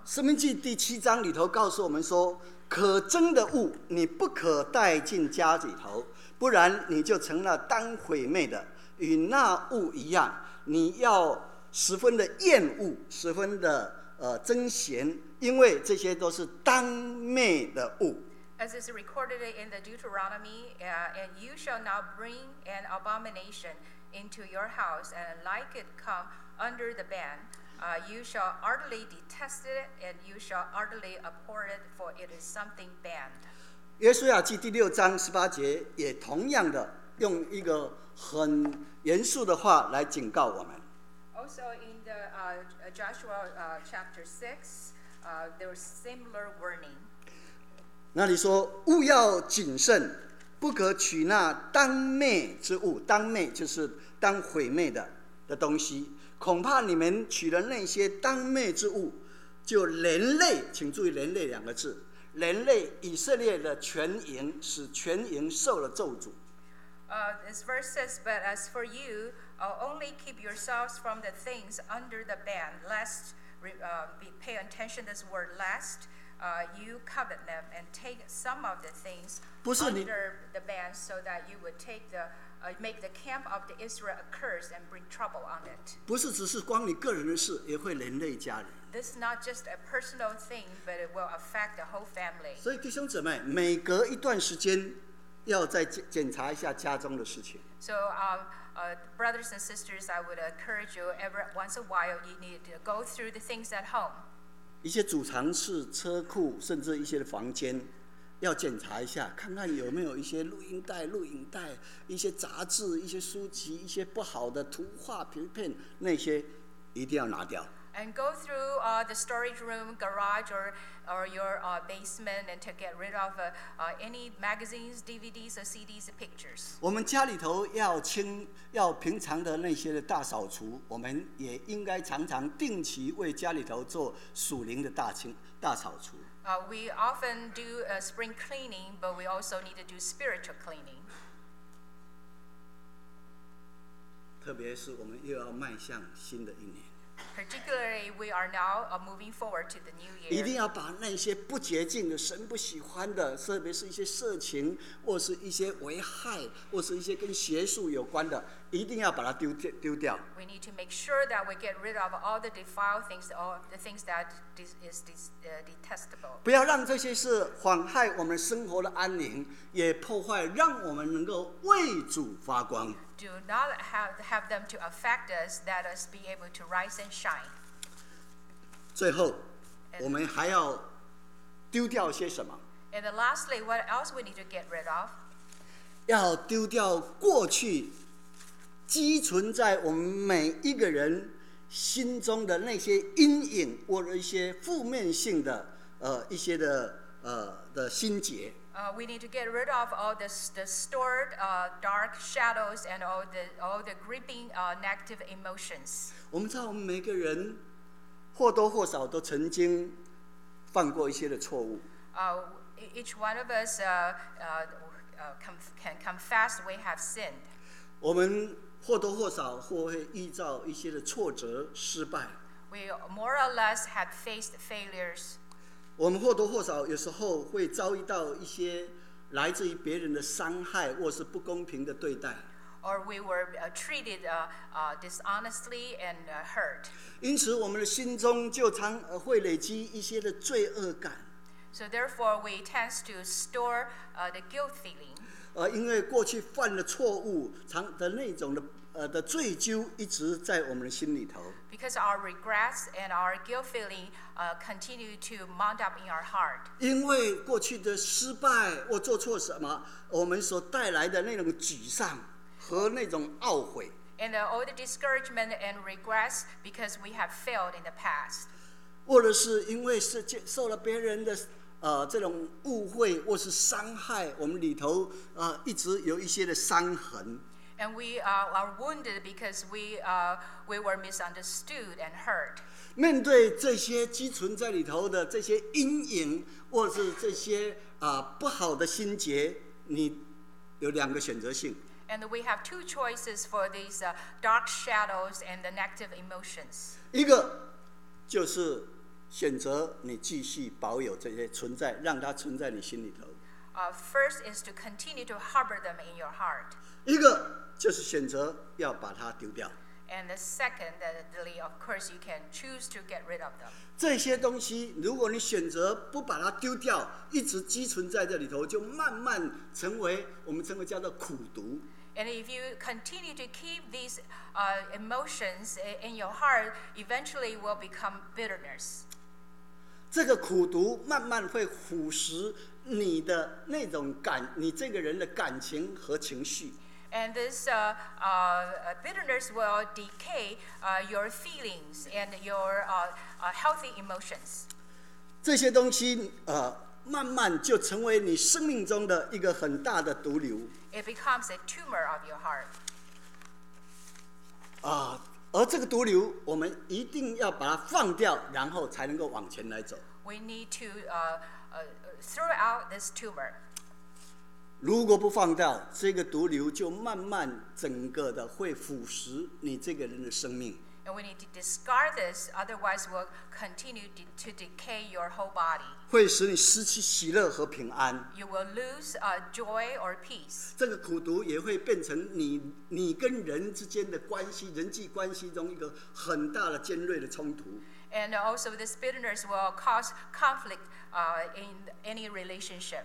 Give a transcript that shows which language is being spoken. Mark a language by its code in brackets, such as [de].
[zh] 生命记第七章里头告诉我们说，可憎的物你不可带进家里头，不然你就成了当毁灭的，与那物一样，你要。十分的厌恶，十分的憎嫌，因为这些都是当灭的物。 [en] As is recorded in the Deuteronomy, and you shall not bring an abomination into your house, and like it come under the ban. You shall utterly detest it, and you shall utterly abhor it, for it is something banned. [zh] 约书亚记第六章十八节也同样的用一个很严肃的话来警告我们。 [en] Also in the Joshua chapter 6, there was similar warning. [zh] 那里说，务要谨慎，不可取那当灭之物，当灭就是当毁灭的东西。恐怕你们取了那些当灭之物，就连累，请注意连累两个字，连累以色列的全营，使全营受了咒诅。 [en] This verse says, but as for you, only keep yourselves from the things under the ban, lest pay attention to this word, lest you covet them and take some of the things under the ban, so that you would take the make the camp of the Israel a curse and bring trouble on it. [zh] 不是只是光你个人的事，也会连累家人。 [en] This is not just a personal thing, but it will affect the whole family. [zh] 所以弟兄姊妹，每隔一段时间。要再检查一下家中的事情。 [en] So, brothers and sisters, I would encourage you every once a while, you need to go through the things at home. [zh] 一些储藏室、车库，甚至一些房间，要检查一下，看看有没有一些录影带、一些杂志、一些书籍、一些不好的图画、图片，那些一定要拿掉。 [en] And go through the storage room, garage, or your basement, and to get rid of any magazines, DVDs, or CDs, or pictures. [zh] 我们家里头要清，要平常的那些的大扫除，我们也应该常常定期为家里头做属灵的大扫除。 [en] We often do spring cleaning, but we also need to do spiritual cleaning. [zh] 特别是我们又要迈向新的一年。 [en] Particularly, we are now moving forward to the new year. [zh] 一定要把那些不洁净的、神不喜欢的，特别是一些色情，或是一些危害，或是一些跟邪术有关的，一定要把它丢掉。 [en] We need to make sure that we get rid of all the defiled things, all the things that is detestable. [zh] 不要让这些事妨害我们生活的安宁，也破坏让我们能够为主发光。 [en] Do not have them to affect us, let us be able to rise and shine. [zh] 最后，我们还要丢掉些什么？ [en] And lastly, what else we need to get rid of? [zh] 要丢掉过去积存在我们每一个人心中的那些阴影，或者一些负面性的一些的心结。 [en] We need to get rid of all the stored dark shadows and all the gripping negative emotions. [zh] 我们知道我们每个人或多或少都曾经犯过一些的错误。 [en] Each one of us can confess we have sinned. [zh] 我们或多或少或会遇到一些的挫折、失败。 [en] We more or less have faced failures. [zh] 我们或多或少有时候会遭遇到一些来自于别人的伤害或是不公平的对待。 [en] Or we were treated dishonestly and hurt. [zh] 因此我们的心中就常会累积一些的罪恶感。 [en] So therefore we tend to store the guilt feeling. [zh] 因为过去犯了错误常的那种的的罪疚一直在我们的心里头。 [en] Because our regrets and our guilt feeling continue to mount up in our heart. [zh] 因为过去的失败或做错什么，我们所带来的那种沮丧和那种懊悔。 [en] And all the discouragement and regrets because we have failed in the past. [zh] 或者是因为受了别人的这种误会或是伤害，我们里头一直有一些的伤痕。 [en] And we are wounded because we were misunderstood and hurt. [zh] 面对这些积存在里头的这些阴影，或是这些不好的心结，你有两个选择性。 [en] And we have two choices for these dark shadows and the negative emotions. [zh] 一个就是选择你继续保有这些存在，让它存在你心里头。 [en] First is to continue to harbor them in your heart. [zh] 一个就是选择要把它丢掉。 [en] And the secondly, of course, you can choose to get rid of them. [zh] 这些东西，如果你选择不把它丢掉，一直积存在这里头，就慢慢成为我们称为叫做苦毒。 [en] And if you continue to keep these emotions in your heart, eventually will become bitterness. [zh] 这个苦毒慢慢会腐蚀你的那种感，你这个人的感情和情绪。 [en] And this bitterness will decay your feelings and your healthy emotions. [zh] 这些东西慢慢就成为你生命中的一个很大的毒瘤。 [en] It becomes a tumor of your heart. [zh] 而这个毒瘤，我们一定要把它放掉，然后才能够往前来走。 [en] We need to throw out this tumor. [zh] 如果不放掉，这个毒瘤就慢慢整个的会腐蚀你这个人的生命。 [en] And we need to discard this, otherwise we'll continue to decay your whole body. [zh] 会使你失去喜乐和平安。 [en] You will lose joy or peace. [zh] 这个苦毒也会变成你跟人之间的关系，人际关系中一个很大的尖锐的冲突。 [en] And also this bitterness will cause conflict in any relationship.